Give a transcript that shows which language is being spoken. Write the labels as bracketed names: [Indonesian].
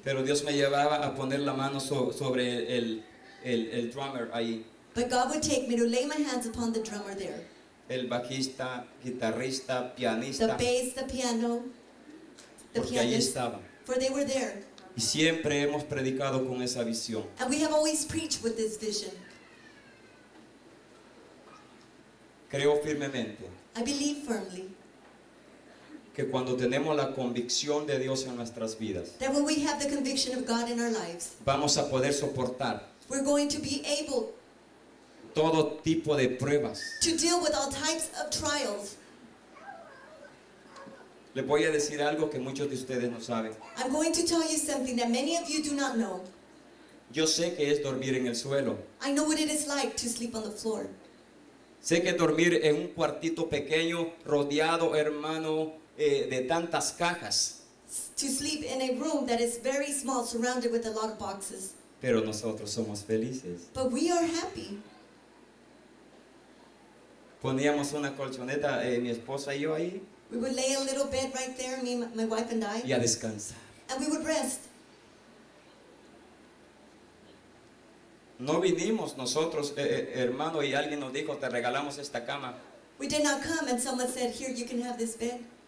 [Spanish] Pero Dios me llevaba a poner la mano sobre el drummer ahí. [English] But God would take me to lay my hands upon the drummer there. [Spanish] El bajista, guitarrista, pianista. [English] The bass, the piano, the [Spanish] pianist. Porque ahí estaba. [English] For they were there. [Spanish] Y siempre hemos predicado con esa visión. [English] And we have always preached with this vision. [Spanish] Creo firmemente. [English] I believe firmly. [Spanish] Que cuando tenemos la convicción de Dios en nuestras vidas, [English] that when we have the conviction of God in our lives, [Spanish] vamos a poder soportar, [English] we're going to be able, [Spanish] todo tipo de pruebas, [English] to deal with all types of trials. [Spanish] Le voy a decir algo que muchos de ustedes no saben. [English] I'm going to tell you something that many of you do not know. [Spanish] Yo sé que es dormir en el suelo. [English] I know what it is like to sleep on the floor. [Spanish] Sé que dormir en un cuartito pequeño, rodeado, hermano, de tantas cajas. [English] To sleep in a room that is very small, surrounded with a lot of boxes. [Spanish] Pero nosotros somos felices. [English] But we are happy. [Spanish] Poníamos una colchoneta, mi esposa y yo ahí. [English] We would lay a little bed right there, me, my wife and I. [Spanish] Y a descansar. [English] And we would rest. [Spanish] No vinimos nosotros, hermano, y alguien nos dijo, te regalamos esta cama. [English] We did not come and someone said, here, you can have this bed.